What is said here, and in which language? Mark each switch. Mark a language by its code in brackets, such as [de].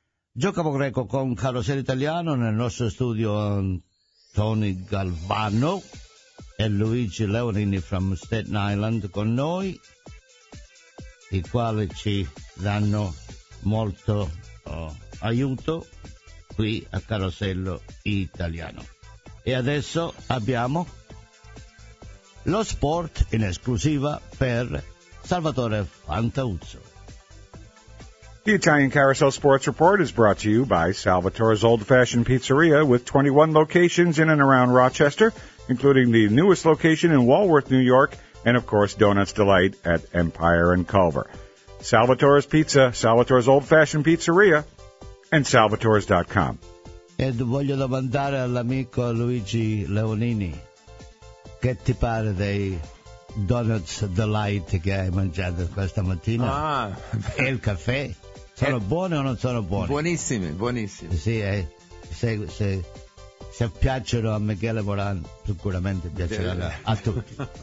[it] Giocavo greco con Carosello Italiano nel nostro studio, Tony Galvano e Luigi Leonini [en] from Staten Island [it] con noi, i quali ci danno molto aiuto qui a Carosello Italiano. E adesso abbiamo lo sport in esclusiva per Salvatore Fantauzzo. [en] The Italian Carousel Sports Report is brought to you by Salvatore's Old Fashioned Pizzeria, with 21 locations in and around Rochester, including the newest location in Walworth, New York, and of course Donuts Delight at Empire and Culver. Salvatore's Pizza, Salvatore's Old Fashioned Pizzeria, and Salvatore's.com. [it] Ed voglio domandare all'amico Luigi Leonini, che ti pare dei Donuts Delight che hai mangiato questa mattina? Ah, e il caffè? Sono buone o non sono buone? Buonissime, buonissime. Sì, se piacciono a Michele Moran, sicuramente piaceranno a tutti.